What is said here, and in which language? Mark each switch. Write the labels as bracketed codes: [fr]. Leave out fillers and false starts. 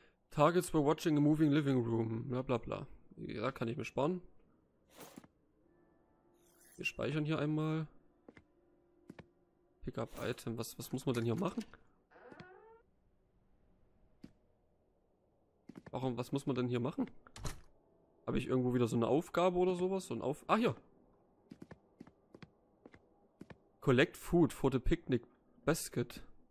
[en] Targets were watching a moving living room. [de] Bla bla bla. Ja, kann ich mir sparen. Wir speichern hier einmal. Pickup Item. Was muss man denn hier machen? Warum? Was muss man denn hier machen? Habe ich irgendwo wieder so eine Aufgabe oder sowas? So ein Auf. Ah, hier! [en] Collect food for the picnic basket.